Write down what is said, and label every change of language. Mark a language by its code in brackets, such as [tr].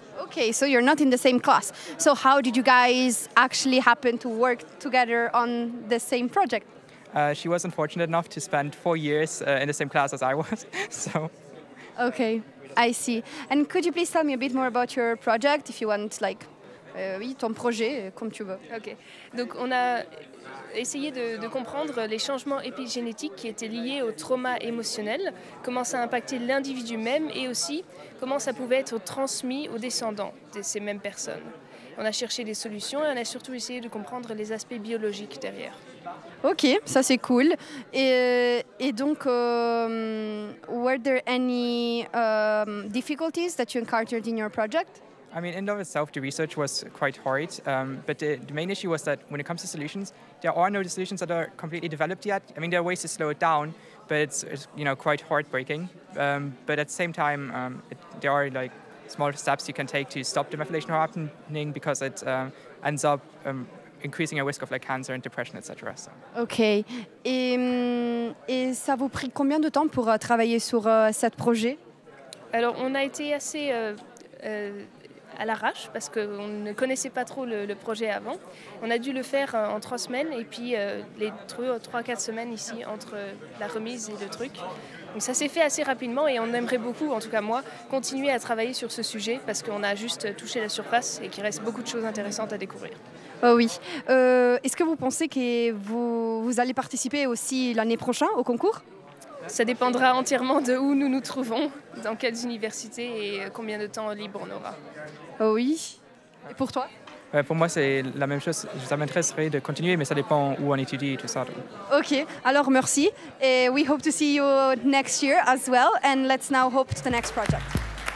[en] Okay, so you're not in the same class. So how did you guys actually happen to work together on the same project? She was unfortunate enough to spend 4 years in the same class as I was, so... Okay, I see. And could you please tell me a bit more about your project, if you want, like... [fr] Oui, ton projet, comme tu veux. Ok. Donc, on a essayé de comprendre les changements épigénétiques qui étaient liés au trauma émotionnel, comment ça impactait l'individu même et aussi comment ça pouvait être transmis aux descendants de ces mêmes personnes. On a cherché des solutions et on a surtout essayé de comprendre les aspects biologiques derrière. Ok, ça c'est cool. Et donc, [en] were there any difficulties that you encountered in your project? I mean, in and of itself, the research was quite hard, but the main issue was that when it comes to solutions, there are no solutions that are completely developed yet. I mean, there are ways to slow it down, but it's you know, quite heartbreaking. But at the same time, there are like small steps you can take to stop the methylation from happening because it ends up increasing your risk of like cancer and depression, etc. So. Okay. [fr] Et ça vous prit combien de temps pour travailler sur cet projet? Alors, on a été assez... à l'arrache, parce qu'on ne connaissait pas trop le projet avant. On a dû le faire en 3 semaines, et puis les 3-4 semaines ici, entre la remise et le truc. Donc ça s'est fait assez rapidement, et on aimerait beaucoup, en tout cas moi, continuer à travailler sur ce sujet, parce qu'on a juste touché la surface, et qu'il reste beaucoup de choses intéressantes à découvrir. Oh oui. Est-ce que vous pensez que vous allez participer aussi l'année prochaine au concours? Ça dépendra entièrement de où nous nous trouvons, dans quelles universités et combien de temps libre on aura. Oh oui. Et pour toi? Pour moi, c'est la même chose. Ça m'intéresserait de continuer, mais ça dépend où on étudie et tout ça. Ok. Alors, merci. Et [en] we hope to see you next year as well. And let's now hope to the next project.